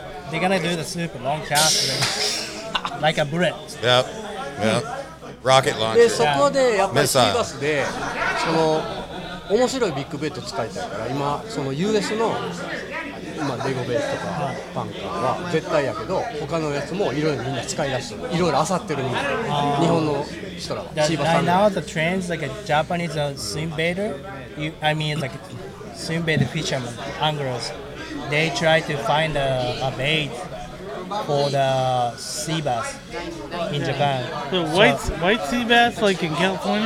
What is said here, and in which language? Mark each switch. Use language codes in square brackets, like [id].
[en] They're gonna do the super long cast, like a bullet. Yep. Yep. Rocket launcher. [ja] So, こでやっぱりシーバスでその面白いビッグベイト使いたいから今その US の今レゴベイトとかバンカーは絶対やけど他のやつもいろいろみんな使い出す。いろいろ漁ってるみたいな日本の人らは。シーバさん。 [en] Right now the trends like a Japanese swim baiter. I mean like. Swim bait fishermen, anglers, they try to find a bait for the sea bass in Japan. The white white sea bass, like in California?